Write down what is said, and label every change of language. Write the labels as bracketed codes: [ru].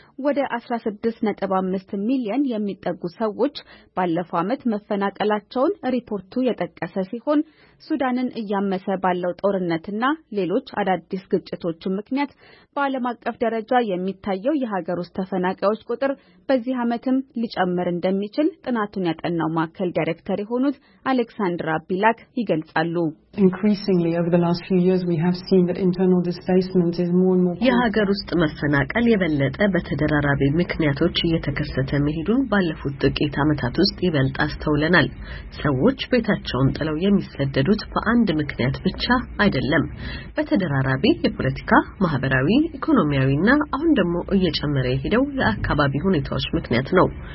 [am] ወደ 16.5 ሚሊዮን የሚጠጉ ሰዎች ባለፈው አመት መፈናቀላቸውን ሪፖርቱ የጠቀሰ ሲሆን ሱዳንን እያመሰ ባለው ጦርነትና ሌሎች አዳዲስ ግጭቶች ምክንያት በዓለም አቀፍ ደረጃ የሚታየው የሀገር ውስጥ ተፈናቃዮች ቁጥር በዚህ አመትም ሊጨምር እንደሚችል ጥናቱን ያጠናው ማዕከል ዳይሬክተር የሆኑት አሌክሳንድራ ቢላክ ይገልጻሉ። [en] Increasingly over the last few years we have seen that internal displacement is more and more [am] የሀገር ውስጥ መፈናቀል የበለጠ በተደራራቢ ምክንያቶች እየተከሰተ መሄዱን ባለፉት ጥቂት አመታት ውስጥ ይበልጥ አስተውለናል። ሰዎች ቤታቸውን ጥለው የሚሰደዱት በአንድ ምክንያት ብቻ አይደለም። በተደራራቢ የፖለቲካ፣ ማህበራዊ፣ ኢኮኖሚያዊና አሁን ደግሞ እየጨመረ የሄደው የአካባቢ ሁኔታዎች ምክንያት ነው።